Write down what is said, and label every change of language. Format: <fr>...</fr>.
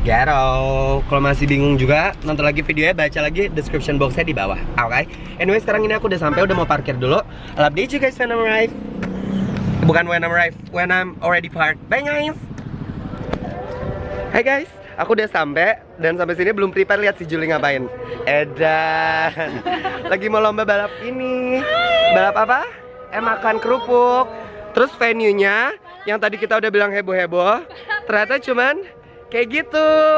<id>Gero. Kalau masih bingung juga, nonton lagi videonya, baca lagi description box-nya di bawah. Okay. Anyway, sekarang ini aku udah sampai, udah mau parkir dulu.</id> <en>I love you guys when I'm arrive.</en> <id>Bukan</id> <en>when I'm arrive, when I'm already parked. Bye guys.</en> <id>Hey guys, aku udah sampai dan sampai sini belum prepare lihat si Juli ngapain. Edan. Lagi mau lomba balap ini. Balap apa? Makan kerupuk. Terus venue-nya yang tadi kita udah bilang heboh-heboh, ternyata cuman kayak gitu.</id>